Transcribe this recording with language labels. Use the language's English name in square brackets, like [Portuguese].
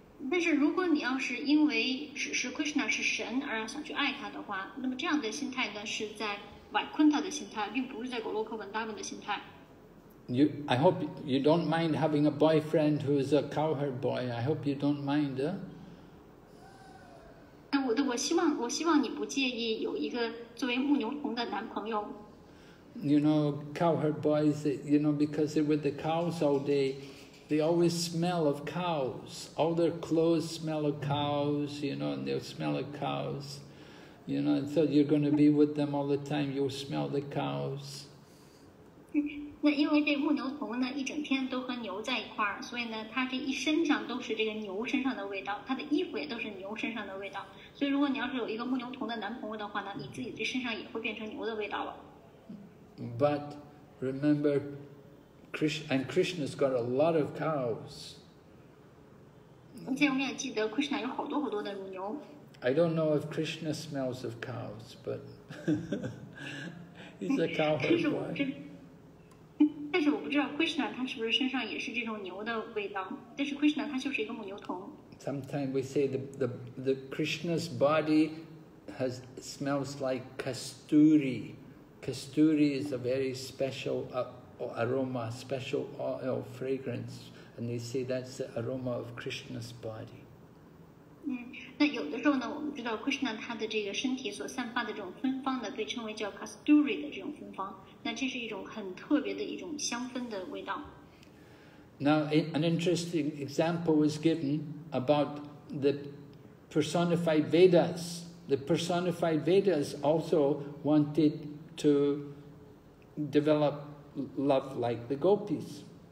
[Chinese] 但是如果你要是因为只是 Krishna 是神而想去爱他的话，那么这样的心态呢是在Vaikuntha 的心态，并不是在果洛克文达文的心态。 [English] I hope you don't mind having a boyfriend who is a cowherd boy. I hope you don't mind, [Chinese] 那我我希望你不介意有一个作为牧牛童的男朋友。 [English] You know, cowherd boys, you know, because they're with the cows all day, they always smell of cows. All their clothes smell of cows, you know, and they'll smell of cows. You know, and so you're going to be with them all the time, you'll smell the cows. [Chinese] 那因为这牧牛童呢，一整天都和牛在一块儿，所以呢，他这一身上都是这个牛身上的味道，他的衣服也都是牛身上的味道。所以如果你要是有一个牧牛童的男朋友的话呢，你自己这身上也会变成牛的味道了。 [English] But remember, Krishna's got a lot of cows. [Chinese] 而且我们也记得 ，Krishna 有好多好多的乳牛。 [English] I don't know if Krishna smells of cows, but he's a cowherd boy. [Chinese] 但是我不知道 Krishna 他是不是身上也是这种牛的味道。但是 Krishna 他就是一个母牛童。 [English] Sometimes we say the Krishna's body smells like kasturi. Kasturi is a very special aroma, special oil fragrance, and they say that's the aroma of Krishna's body. [Chinese] 那有的时候呢，我们知道 Krishna 他的这个身体所散发的这种芬芳呢，被称为叫 kasturi 的这种芬芳。那这是一种很特别的一种香氛的味道。 [English] Now, an interesting example was given about the personified Vedas. The personified Vedas also wanted to develop love like the gopis.